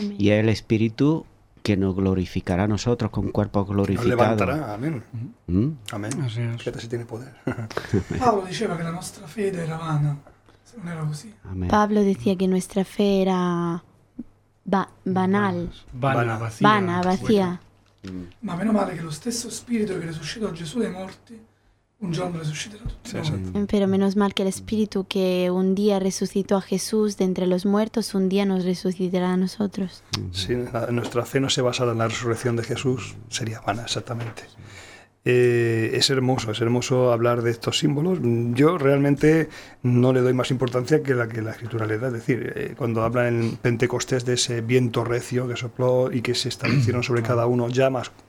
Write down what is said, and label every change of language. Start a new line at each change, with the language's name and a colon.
Spanish: Y es el Espíritu que nos glorificará a nosotros con cuerpo glorificado. Nos levantará, amén. Amén. Así es. Que si tiene poder. Pablo decía que la nuestra fe era vana. No era así. Amén. Pablo decía que nuestra fe era banal. Vana, vacía.
Italian: Ma meno male che lo stesso spirito che resuscitò Gesù dai morti un giorno resusciterà tutti noi.
Spanish: Pero menos mal que el espíritu que un día resucitó a Jesús de entre los muertos un día nos resucitará a nosotros. Si nuestra fe no se basara en la resurrección de Jesús, sería vana, exactamente. Es hermoso hablar de estos símbolos. Yo realmente no le doy más importancia que la que la Escritura le da. Es decir, cuando habla en Pentecostés de ese viento recio que sopló y que se establecieron sobre cada uno llamas